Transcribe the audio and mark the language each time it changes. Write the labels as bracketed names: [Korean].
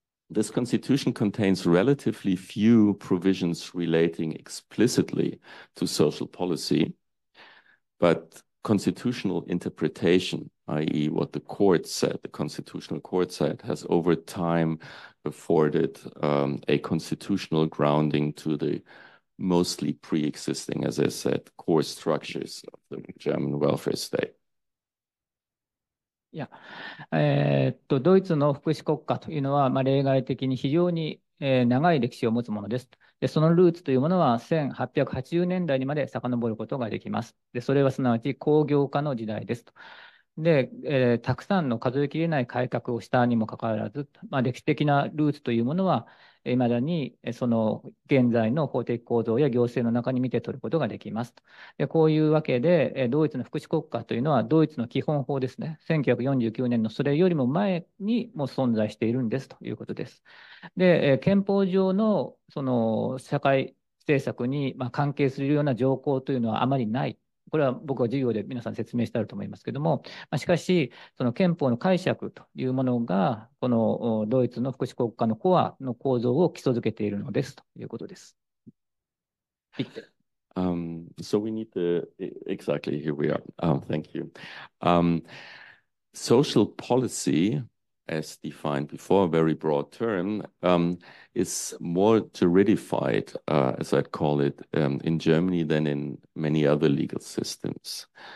[English] This constitution contains relatively few provisions relating explicitly to social policy, but constitutional interpretation, i.e., what the court said, the constitutional court said, has over time afforded a constitutional grounding to the mostly pre-existing, as I said, core structures of the German welfare state. [Japanese] いや、ドイツの福祉国家というのは、例外的に非常に、長い歴史を持つものです。で、そのルーツというものは1880年代にまで遡ることができます。で、それはすなわち工業化の時代ですと。で、たくさんの数え切れない改革をしたにもかかわらず、歴史的なルーツというものは、いまだにその現在の法的構造や行政の中に見て取ることができます。で、こういうわけで、ドイツの福祉国家というのは、ドイツの基本法ですね、1949年のそれよりも前にも存在しているんですということです。で、憲法上のその社会政策に関係するような条項というのはあまりない。これは僕は授業で皆さん説明してあると思いますけれども、まあ、しかしその憲法の解釈というものがこのドイツの福祉国家のコアの構造を基礎づけているのですということです。 [English] So we need the exactly here we are. Thank you. Social policy, as defined before, a very broad term, is more juridified, as I call it, in Germany than in many other legal systems.